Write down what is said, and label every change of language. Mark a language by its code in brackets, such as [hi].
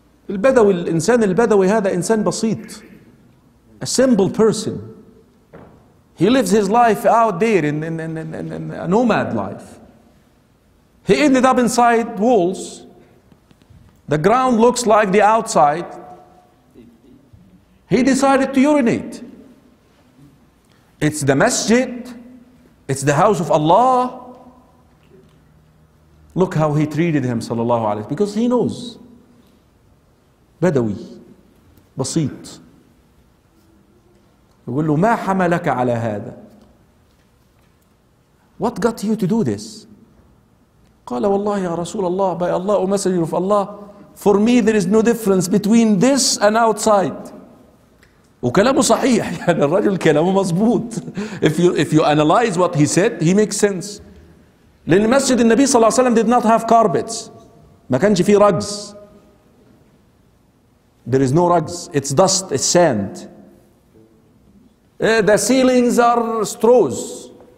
[ar] البدوي, الإنسان البدوي هذا إنسان بسيط. [en] A simple person. He lives his life out there in a nomad life. He ended up inside walls. The ground looks like the outside. He decided to urinate. It's the masjid. It's the house of Allah. Look how he treated him, sallallahu alayhi, because he knows. [ar] Bedawi. Basit. يقول له ما حملك على هذا. [en] What got you to do this? [ar] قال والله يا رسول الله, [en] by Allah, O Messenger of Allah, for me there is no difference between this and outside. [ar] وكلامه صحيح, يعني الرجل كلامه مظبوط. [en] If you analyze what he said, he makes sense. [ar] لأن مسجد النبي صلى الله عليه وسلم [en] did not have carpets. [ar] ما كانش فيه rugs. [en] There is no rugs. It's dust, it's sand. The ceilings are straws.